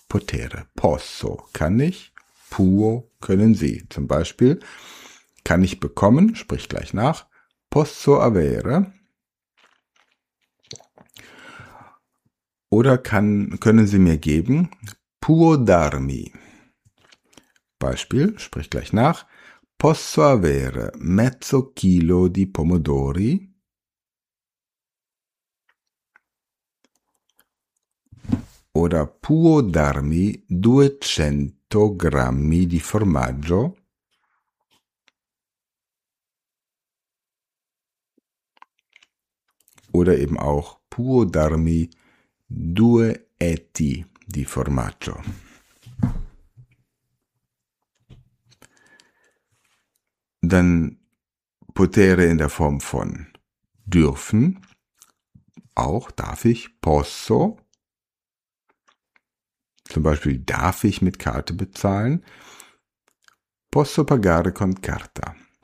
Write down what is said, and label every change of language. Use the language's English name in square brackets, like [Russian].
[Italian] Potere. Posso. [German] Kann ich. [Italian] Puo. [German] Können Sie. Zum Beispiel kann ich bekommen. Sprich gleich nach. [Italian] Posso avere. [German] Oder können Sie mir geben. [Italian] Puo darmi. [German] Beispiel. Sprich gleich nach. [Italian] Posso avere mezzo chilo di pomodori? Ora può darmi 200 grammi di formaggio? [German] Oder eben auch [Italian] può darmi 2 etti di formaggio? [German] Dann potere in der Form von dürfen, auch darf ich, posso, zum Beispiel darf ich mit Karte bezahlen, [Italian] posso pagare con carta.